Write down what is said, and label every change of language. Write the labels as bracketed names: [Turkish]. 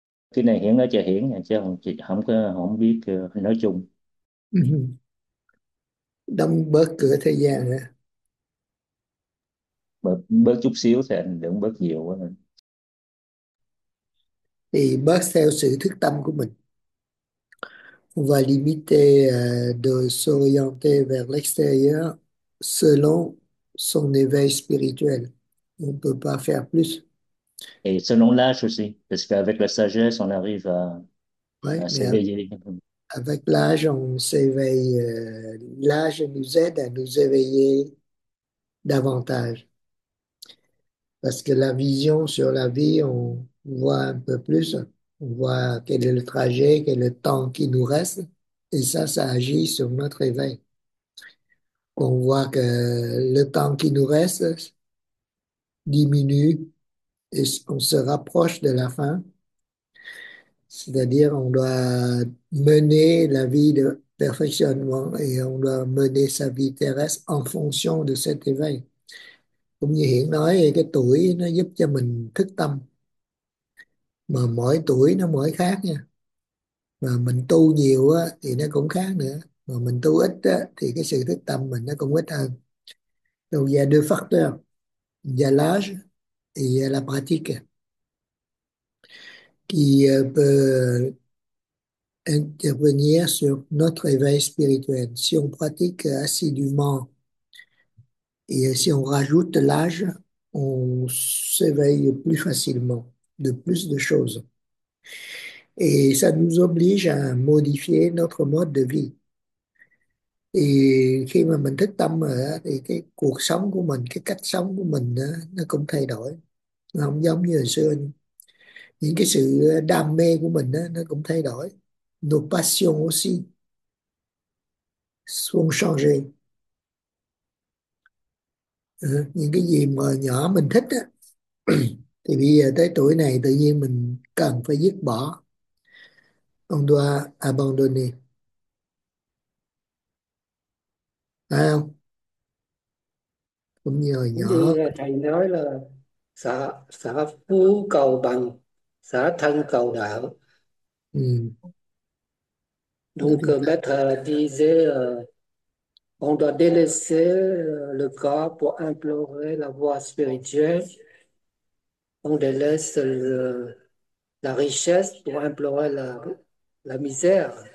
[Vietnamese] Cái này Hiển nói cho Hiển, chứ không chị không biết nói chung. Đóng bớt cửa thời gian nữa. Bớt chút xíu thì anh đừng bớt nhiều quá. Thì bớt theo sự thức tâm của mình. [French] On va limiter de s'orienter vers l'extérieur selon son éveil spirituel. On ne peut pas faire plus. Et selon l'âge aussi, parce qu'avec la sagesse, on arrive Ouais, à mais s'éveiller. avec l'âge, on s'éveille. L'âge nous aide à nous éveiller davantage. Parce que la vision sur la vie, on voit un peu plus. On voit quel est le trajet, quel est le temps qui nous reste. Et ça agit sur notre éveil. On voit que le temps qui nous reste diminue et on se rapproche de la fin. C'est-à-dire, on doit mener la vie de perfectionnement et on doit mener sa vie terrestre en fonction de cet éveil. [Vietnamese] Cũng như Hiển nói, cái tuổi nó giúp cho mình thức tâm. Mà mỗi tuổi nó mỗi khác nha. Mà mình tu nhiều á, thì nó cũng khác nữa. Mà mình tu ít á, thì cái sự thức tâm mình nó cũng ít hơn. [French] Donc, il y a deux facteurs. Il y a l'âge et il y a la pratique. Qui peut intervenir sur notre éveil spirituel. Si on pratique assidûment et si on rajoute l'âge, on s'éveille plus facilement de plus de choses. Et ça nous oblige à modifier notre mode de vie. [Vietnamese] Et khi mà mình thức tâm thì cái cuộc sống của mình, cái cách sống của mình nó cũng thay đổi. Nó không giống như hồi xưa. Những cái sự đam mê của mình đó, nó cũng thay đổi. [French] Nos passions aussi sont changées. [Vietnamese] Những cái gì mà nhỏ mình thích đó, thì bây giờ tới tuổi này tự nhiên mình cần phải dứt bỏ. [French] On doit abandonner. [Vietnamese] Phải không? Cũng như hồi Cũng như nhỏ. là thầy nói là xã phú cầu bằng, xã thân cầu đạo. Thế [French] Donc, Maître disait, on doit délaisser le corps pour implorer la voie spirituelle. On délaisse la richesse pour implorer la misère.